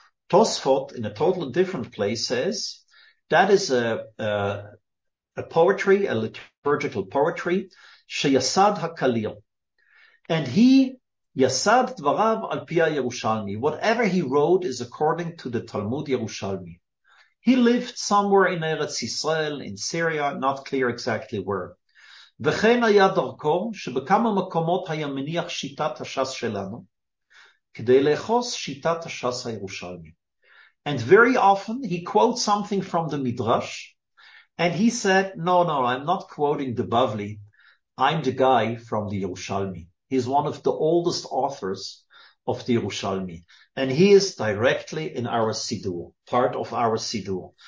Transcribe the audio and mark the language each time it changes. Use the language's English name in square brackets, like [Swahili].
[English] Tosfot, in a totally different place, says that is a poetry, a liturgical poetry, Sheyasad HaKalil. And he, [Hebrew] Yasad Dvarav Al Pi Yerushalmi, [English] whatever he wrote is according to the Talmud Yerushalmi. He lived somewhere in Eretz Yisrael, in Syria, not clear exactly where. [Hebrew] וכן היה דרכו שבכמה מקומות היה מניח שיטת השס שלנו כדי לאחוס שיטת השס הירושלמי. [English] And very often he quotes something from the Midrash and he said, no, I'm not quoting the Bavli, I'm the guy from the Yerushalmi. He's one of the oldest authors of the Yerushalmi. And he is directly in our Sidur, part of our Sidur.